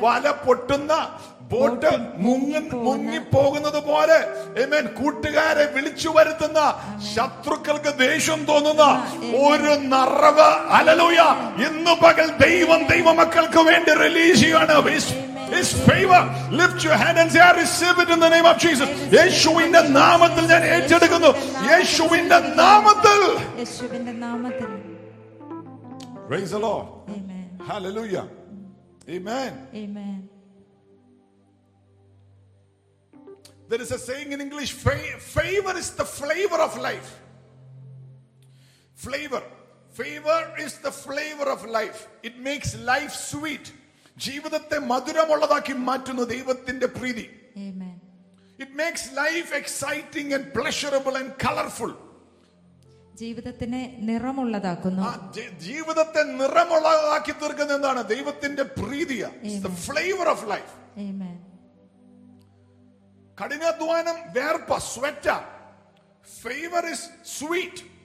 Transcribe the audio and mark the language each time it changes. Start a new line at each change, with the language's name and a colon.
Malayalam: വല പൊട്ടുന്ന ബോട്ട് മുങ്ങി പോകുന്നത് പോലെ, ആമേൻ, കൂട്ടുകാരെ വിളിച്ചു വരുത്തുന്ന, ശത്രുക്കൾക്ക് ദേഷ്യം തോന്നുന്ന ഒരു നറവ്, ഹല്ലേലൂയ, ഇന്ന് പകൽ ദൈവം ദൈവമക്കൾക്ക് വേണ്ടി റിലീസ് ചെയ്യുകയാണ്.
English: His favor. Lift your hand and say, I receive it in the name of Jesus. Yeshu in the name of Jesus. Yeshu in the name of Jesus. Praise the Lord. Amen. Hallelujah. Amen. Amen. There is a saying in English, favor is the flavor of life. Flavor. Favor is the flavor of life. It makes life sweet.
Malayalam: ജീവിതത്തെ മധുരമുള്ളതാക്കി മാറ്റുന്ന ദൈവത്തിന്റെ പ്രീതി.
English: Amen. It makes life exciting and pleasurable and colorful.
Malayalam: ജീവിതത്തിനെ നിറമുള്ളതാക്കുന്നു. ജീവിതത്തെ നിറമുള്ളതാക്കി തീർക്കുന്ന എന്താണ്? ദൈവത്തിന്റെ പ്രീതിയാ.
English: It's the flavor of life. Amen.
Malayalam: കഠിനാധ്വാനം വേർപ്പ, sweat.
English: Favor is sweet.